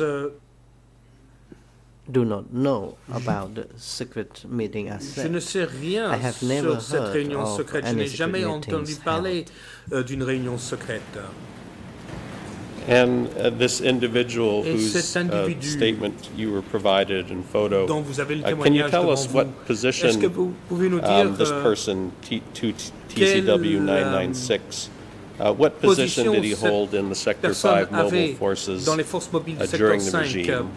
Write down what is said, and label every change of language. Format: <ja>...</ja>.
<en>I do not know about the secret meeting as such.</en> <fr>Je ne sais rien sur cette réunion secrète. Je n'ai jamais entendu parler d'une réunion secrète.</fr> <en>And this individual whose statement you were provided in photo, can you tell us what position this person, TCW-996, what position did he hold in the Sector 5 mobile forces during the regime?</en>